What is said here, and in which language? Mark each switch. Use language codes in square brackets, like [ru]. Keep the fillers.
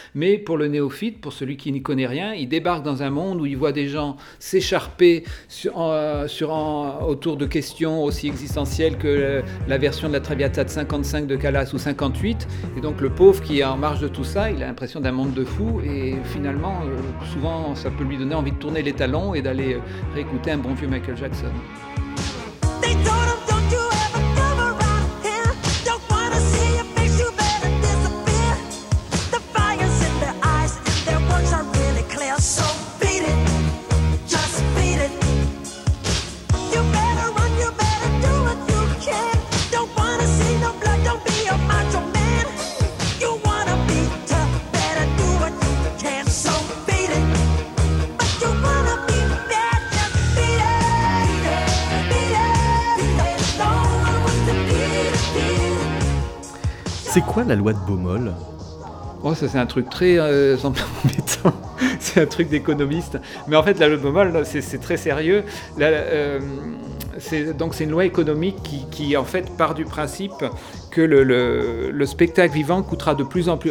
[fr] Mais pour le néophyte, pour celui qui n'y connaît rien, il débarque dans un monde où il voit des gens s'écharper sur, en- sur en- autour de questions aussi existentielles que euh, la version de la Traviata de 55 de Calas ou 58. Et donc, le pauvre qui est en marge de tout ça, il a l'impression d'un monde de fous. Et finalement, euh, souvent, ça peut lui donner envie de tourner les talons et d'aller euh, réécouter un bon vieux Michael Jackson. [en] They told him, don't you ever come around here. Don't wanna see your face, you better disappear. The fire's in their eyes, and their words are really clear. So beat it, just beat it. You better run, you better do what you can. Don't wanna see no blood, don't be a macho man. You wanna be tough, better do what you can. So beat it. But you wanna be bad, just beat it. Beat it, beat it, beat it. No one wants to beat it, beat it. [fr] C'est quoi la loi de Baumol Oh, ça c'est un truc très euh, embêtant. c'est un truc d'économiste. Mais en fait, la loi de Baumol, là, c'est c'est très sérieux. La- euh, c'est- donc c'est une loi économique qui, qui, en fait part du principe que le, le- le spectacle vivant coûtera de plus en plus...